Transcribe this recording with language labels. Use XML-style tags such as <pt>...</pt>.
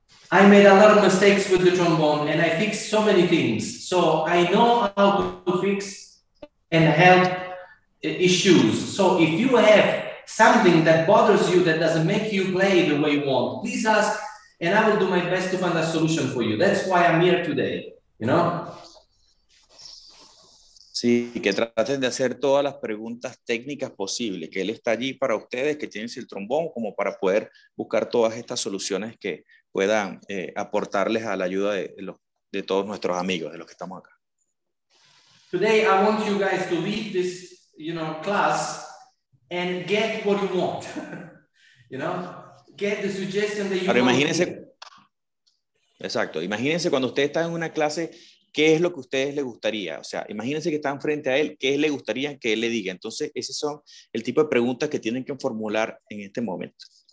<en>I made a lot of mistakes with the trombone and I fixed so many things. So I know how to fix and help issues. So if you have something that bothers you that doesn't make you play the way you want, please ask and I will do my best to find a solution for you. That's why I'm here today, you know?</en> <es>Sí, que traten de hacer todas las preguntas técnicas posibles, que él está allí para ustedes, que tienen el trombón, como para poder buscar todas estas soluciones que puedan aportarles a la ayuda de todos nuestros amigos, de los que estamos acá.</es> <en>Today I want you guys to leave this, you know, class and get what you want. You know, get the suggestion that you</en> <es>Ahora imagínense, exacto, imagínense cuando usted está en una clase, ¿qué es lo que a ustedes les gustaría? O sea, imagínense que están frente a él, ¿qué le gustaría que él le diga? Entonces, esos son el tipo de preguntas que tienen que formular en este momento.</es>